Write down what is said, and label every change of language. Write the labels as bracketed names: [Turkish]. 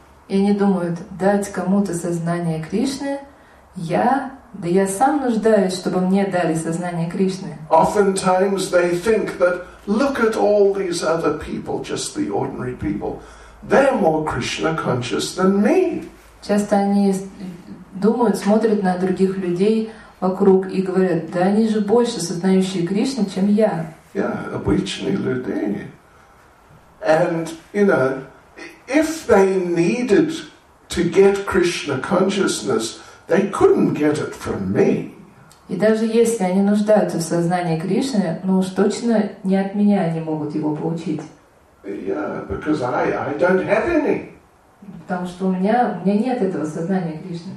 [Russian] И они думают, дать кому-то сознание Кришны, я сам нуждаюсь, чтобы мне дали сознание Кришны. [English] Oftentimes they think that, look at all these other people, just the ordinary people, they're more Krishna conscious than me. [Russian] Часто они думают, смотрят на других людей вокруг и говорят, да они же больше сознающие Кришну, чем я. Yeah, обычные люди. [English] And, you know, if they needed to get Krishna consciousness, they couldn't get it from me. [Russian] И даже если они нуждаются в сознании Кришны, ну уж точно не от меня они могут его получить. [English] Yeah, because I don't have any. [Russian] Потому что у меня нет этого сознания Кришны.